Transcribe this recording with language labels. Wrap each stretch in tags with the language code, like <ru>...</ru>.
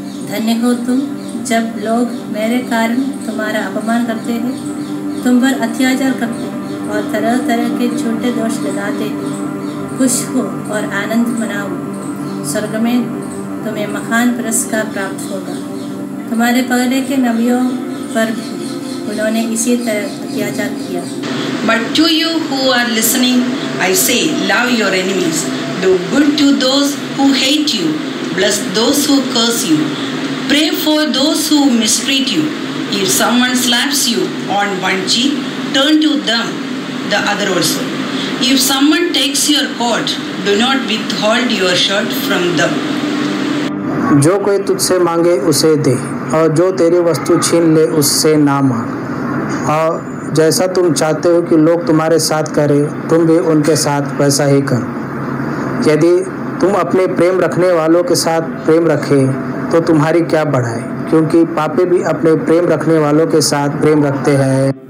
<hi>धन्य हो तुम जब लोग मेरे कारण तुम्हारा अपमान करते हैं, तुम पर अत्याचार करते हैं और तरह तरह के झूठे दोष लगाते हैं। खुश हो और आनंद मनाओ, स्वर्ग में तुम्हें महान पुरस्कार प्राप्त होगा। तुम्हारे पहले के नबियों पर उन्होंने इसी तरह अत्याचार किया।</hi> <en>But to you who are listening, I say, love your enemies, do good to those who hate you, bless those who curse you, pray for those who mistreat you. If someone slaps you on one cheek, turn to them the other also. If someone takes your coat, do not withhold your shirt from them.</en> <hi>जो कोई तुझसे मांगे उसे दे, और जो तेरी वस्तु छीन ले उससे ना मांग। और जैसा तुम चाहते हो कि लोग तुम्हारे साथ करें, तुम भी उनके साथ वैसा ही करो। यदि तुम अपने प्रेम रखने वालों के साथ प्रेम रखें तो तुम्हारी क्या बढ़ाई, क्योंकि पापी भी अपने प्रेम रखने वालों के साथ प्रेम रखते हैं।</hi>